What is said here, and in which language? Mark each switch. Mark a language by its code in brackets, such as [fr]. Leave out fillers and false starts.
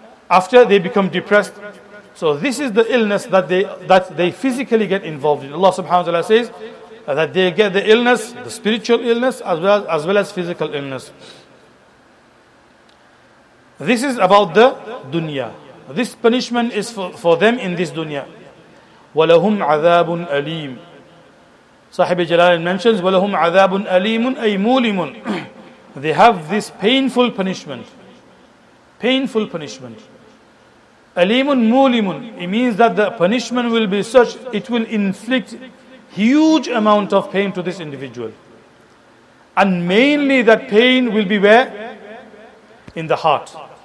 [en] After, they become depressed. So this is the illness that they physically get involved in. Allah subhanahu wa ta'ala says that they get the illness, the spiritual illness, as well as physical illness. This is about the dunya. This punishment is for them in this dunya. [ar] وَلَهُمْ عَذَابٌ أَلِيمٌ. [en] Sahib Jalal mentions, [ar] وَلَهُمْ عَذَابٌ أَلِيمٌ أَيْ مُولِمٌ. [en] They have this painful punishment. Painful punishment. [ar] أَلِيمٌ مُولِمٌ. [en] It means that the punishment will be such, it will inflict huge amount of pain to this individual. And mainly that pain will be where? In the heart.